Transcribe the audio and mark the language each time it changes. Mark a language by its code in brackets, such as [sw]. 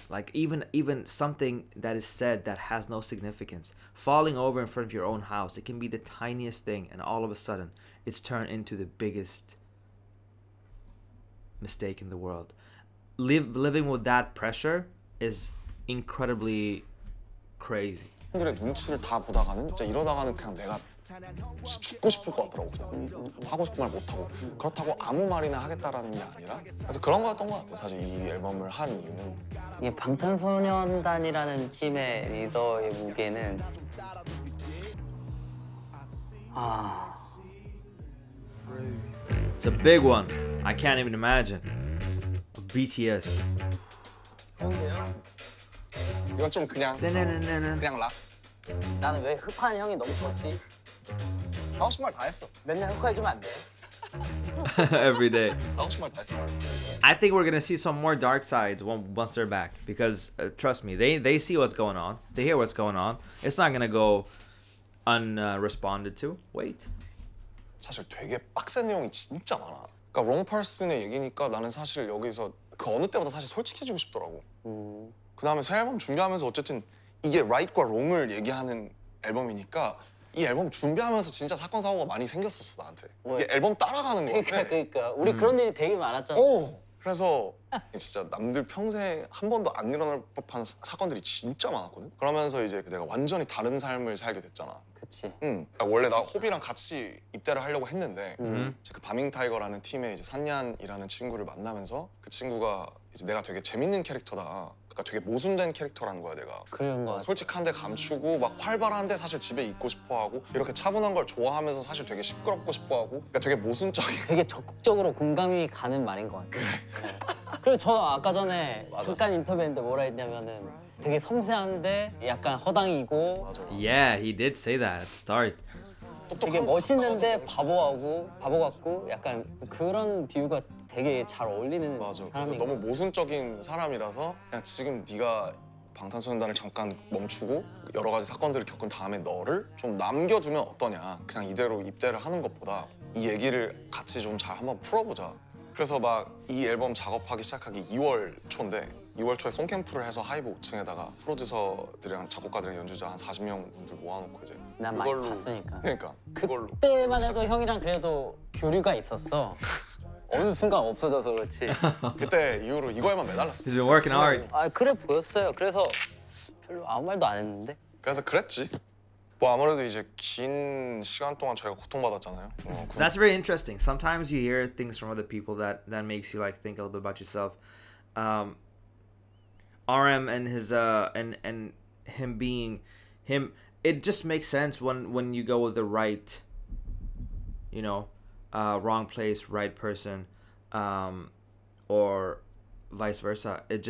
[en] Like, even something that is said that has no significance. Falling over in front of your own house, it can be the tiniest thing, and all of a sudden, it's turned into the biggest mistake in the world. Living with that pressure is incredibly crazy. [ko] 사람들의 눈치를 다 보다가는 진짜 이러다가는 그냥 내가 죽고 싶을 것 같더라고 그냥. 하고 싶은 말 못하고 그렇다고 아무 말이나 하겠다라는 게 아니라 그래서 그런 거였던 것 같아요 사실 이 앨범을 한 이유는 이게 방탄소년단이라는 팀의 리더의 무게는 아 [en] It's a big one. I can't even imagine. BTS. [ko] 이건 좀 그냥 그냥 락. 나는 왜 흡하는 형이 너무 좋지? 하고 싶은 말 다 했어. 맨날 흡해주면 안 돼. [en] Every day. [ko] 하고 싶은 말 다 했어. [en] I think we're gonna see some more dark sides once they're back because trust me, they see what's going on. They hear what's going on. It's not gonna go unresponded to. Wait. [ko] 사실 되게 빡센 내용이 진짜 많아. 그러니까 롱퍼슨의 얘기니까 나는 사실 여기서 그 어느 때보다 사실 솔직해지고 싶더라고. 그 다음에 새 앨범 준비하면서 어쨌든 이게 right과 wrong을 얘기하는 앨범이니까 이 앨범 준비하면서 진짜 사건 사고가 많이 생겼었어 나한테. 왜? 이게 앨범 따라가는 거 같아. 그러니까 우리 그런 일이 되게 많았잖아. 그래서 진짜 남들 평생 한 번도 안 일어날 법한 사건들이 진짜 많았거든. 그러면서 이제 내가 완전히 다른 삶을 살게 됐잖아. 그렇지. 원래 나 호비랑 같이 입대를 하려고 했는데 이제 그 바밍타이거라는 팀에 이제 산얀이라는 친구를 만나면서 그 친구가 이제 내가 되게 재밌는 캐릭터다. 그러니까 되게 모순된 캐릭터라는 거야 내가. 그런 거 같아. 솔직한데 감추고 막 활발한데 사실 집에 있고 싶어하고 이렇게 차분한 걸 좋아하면서 사실 되게 시끄럽고 싶어하고 그러니까 되게 모순적인. 되게 적극적으로 공감이 가는 말인 거 같아. 그래. 그리고 저 아까 전에 맞아. 잠깐 인터뷰했는데 뭐라 했냐면은 되게 섬세한데 약간 허당이고 [en] Yeah, he did say that at the start. [ko] 되게 멋있는데 바보하고 바보 같고 약간 그런 비유가 되게 잘 어울리는 맞아. 사람인 그래서 너무 모순적인 사람이라서 그냥 지금 네가 방탄소년단을 잠깐 멈추고 여러 가지 사건들을 겪은 다음에 너를 좀 남겨두면 어떠냐. 그냥 이대로 입대를 하는 것보다 이 얘기를 같이 좀 잘 한번 풀어보자. 그래서 막 이 앨범 작업하기 시작하기 2월 초인데 2월 초에 송캠프를 해서 하이브 5층에다가 프로듀서들이랑 작곡가들이랑 연주자 한 40명 분들 모아놓고 이제 난 많이 봤으니까 그러니까 그걸로 그때만 해도 시작해. 형이랑 그래도 교류가 있었어. 어느 순간 없어져서 그렇지. 그때 이후로 이거에만 매달랐어. [en] He's been working hard. [ko] 아 그래 보였어요. 그래서 별로 아무 말도 안 했는데 그래서 그랬지. 뭐 아무래도 이제 긴 시간 동안 저희가 고통받았잖아요. [en] That's very interesting. Sometimes you hear things from other people that makes you like think a little bit about yourself. RM and his and him being him, it just makes sense when you go with the right, you know, wrong place, right person, or vice versa.